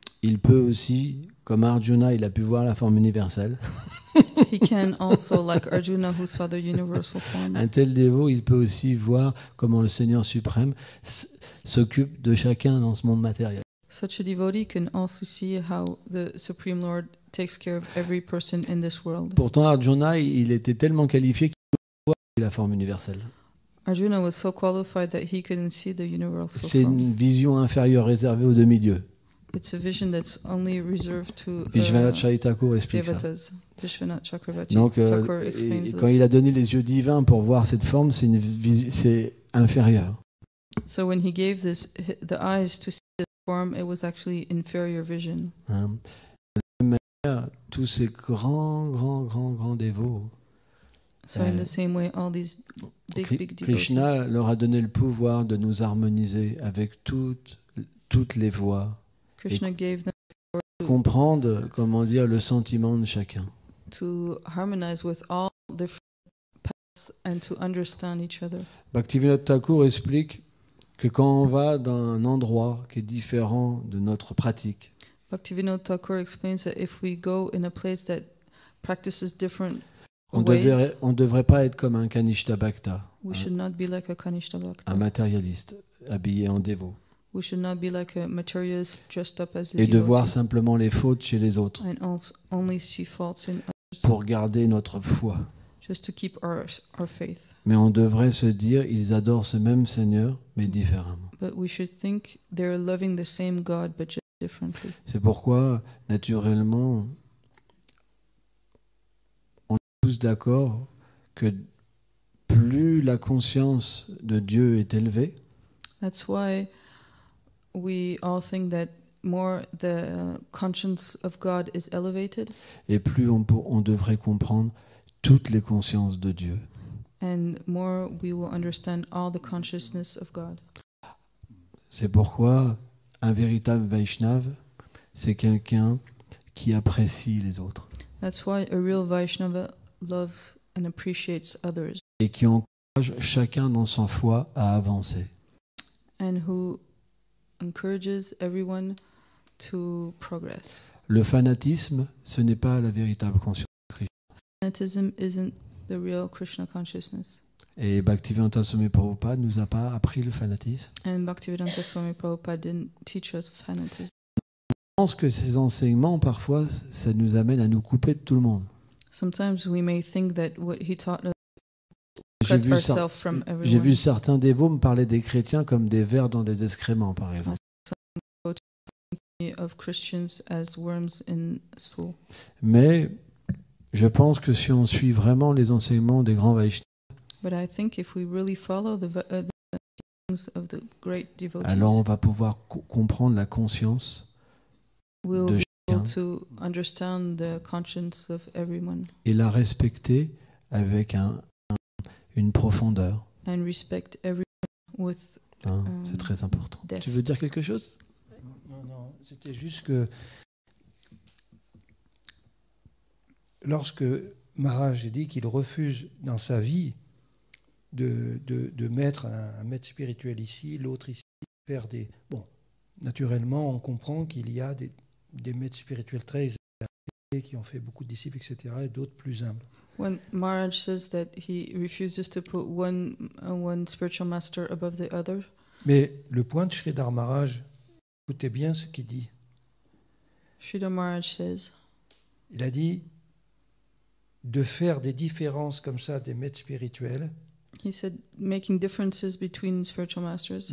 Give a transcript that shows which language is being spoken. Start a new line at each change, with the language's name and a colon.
French: il peut aussi, comme Arjuna, il a pu voir la forme universelle.
English: He can also, like Arjuna, who saw the universal form.
French: Un tel dévot, il peut aussi voir comment le Seigneur suprême s'occupe de chacun dans ce monde matériel.
English: such a devotee can also see how the Supreme Lord takes care of every person in this world.
French: Pourtant, Arjuna, il était tellement qualifié qu'il pouvait voir la forme universelle.
English: Arjuna was so qualified that he couldn't see the universal form.
French: C'est une vision inférieure réservée aux demi-dieux.
English: It's a vision that's only reserved to
French: Vishvanatha Chakravarti explique
English: devotas.
French: Ça. Vishvanatha Chakravarti. Donc, quand il a donné les yeux divins pour voir cette forme, c'est une c'est inférieur.
English: So when he gave this the eyes to see the form, it was actually inferior vision.
French: De la même manière, tous ces grands dévots.
English: So in the same way, all these big
French: Krishna leur a donné le pouvoir de nous harmoniser avec toutes les voix.
English: Krishna gave them power to
French: comprendre, comment dire, le sentiment de chacun.
English: To harmonize with all different paths and to understand each other.
French: Bhaktivinoda Thakur explique que quand on va dans un endroit qui est différent de notre pratique.
English: Bhaktivinoda Thakur explains that if we go in a place that practices different
French: On ne devrait pas être comme un Kanishta Bhakta, un matérialiste habillé en dévot.
English: We should not be like a materialist dressed up as a
French: devotee. Et de voir simplement les fautes chez les autres.
English: And also only see faults in others.
French: Pour garder notre foi.
English: Just to keep our faith.
French: Mais on devrait se dire, ils adorent ce même Seigneur, mais différemment.
English: But we should think they're loving the same God, but just differently.
French: C'est pourquoi, naturellement, d'accord que plus la conscience de Dieu est élevée,
English: that's why we all think that more the conscience of God is elevated,
French: et plus on devrait comprendre toutes les consciences de Dieu,
English: and more we will understand all the consciousness of God.
French: C'est pourquoi un véritable Vaishnava, c'est quelqu'un qui apprécie les autres.
English: That's why a real Vaishnava loves and appreciates others.
French: Et qui encourage chacun dans son foi à avancer.
English: And who encourages everyone to progress.
French: Le fanatisme, ce n'est pas la véritable conscience de Krishna.
English: Fanatism isn't the real Krishna consciousness.
French: Et Bhaktivedanta Swami Prabhupada nous a pas appris le fanatisme.
English: And Bhaktivedanta Swami Prabhupada didn't teach us fanatism.
French: Je pense que ces enseignements, parfois, ça nous amène à nous couper de tout le monde.
English: Sometimes we may think that what he taught us cut ourselves from everyone.
French: J'ai vu certains dévots me parler des chrétiens comme des vers dans des excréments, par exemple.
English: Some people of Christians as worms in stool.
French: Mais je pense que si on suit vraiment les enseignements des grands Vaishnavas,
English: but I think if we really follow the teachings of the great devotees,
French: alors on va pouvoir comprendre la conscience de chacun.
English: To understand the conscience of everyone.
French: Et la respecter avec une profondeur.
English: And respect everyone with,
French: c'est très important.
English: Depth.
French: Tu veux dire quelque chose? Non, c'était juste que lorsque Maharaj dit qu'il refuse dans sa vie de mettre un maître spirituel ici, l'autre ici, faire des... Bon, naturellement, on comprend qu'il y a des maîtres spirituels très exaltés qui ont fait beaucoup de disciples, etc., et d'autres plus humbles.
English: When Maharaj says that he refuses to put one spiritual master above the other.
French: Mais le point de Sridhar Maharaj, écoutez bien ce qu'il dit.
English: Sridhar Maharaj says.
French: Il a dit de faire des différences comme ça des maîtres spirituels.
English: He said making differences between spiritual masters.